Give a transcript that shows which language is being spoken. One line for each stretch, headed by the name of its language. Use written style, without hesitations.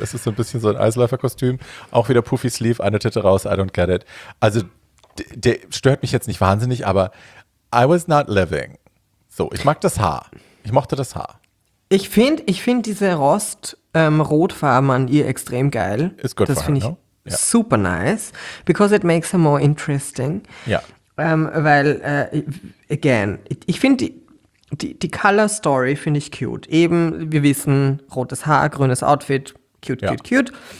German: Es ist so ein bisschen so ein Eisläuferkostüm. Auch wieder Puffy Sleeve, eine Titte raus,
English: I don't get it.
German: Also der stört mich jetzt nicht wahnsinnig, aber
English: I was not living.
German: So, ich mag das Haar. Ich mochte das Haar. Ich find diese Rost... Rotfarben an ihr extrem geil. Ist gut, das finde ich, no?
English: Yeah. Super nice. Because it makes her more interesting.
German: Ja.
English: Yeah.
German: Weil, again, ich finde die Color Story finde ich cute. Eben, wir wissen, rotes Haar, grünes Outfit, cute.